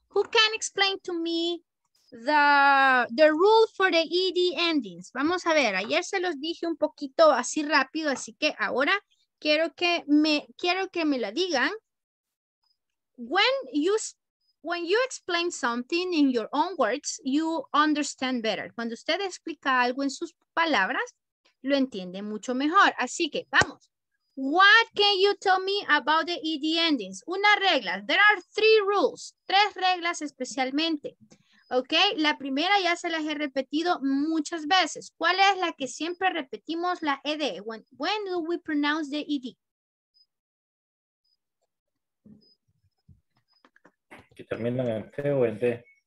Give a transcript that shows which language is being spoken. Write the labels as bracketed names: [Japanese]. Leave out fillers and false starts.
[English] Who can explain to me the rule for the ED endings? [Spanish] Vamos a ver, ayer se los dije un poquito así rápido, así que ahora quiero que me la digan. [English] When you explain something in your own words, you understand better. [Spanish] Cuando usted explica algo en sus palabras, lo entiende mucho mejor. Así que vamos. [English] What can you tell me about the ED endings? [Spanish] Una regla. [English] There are three rules. [Spanish] Tres reglas especialmente. Ok. La primera ya se las he repetido muchas veces. ¿Cuál es la que siempre repetimos la ED? [English] When do we pronounce the ED? [Spanish] Que terminan en T o en D.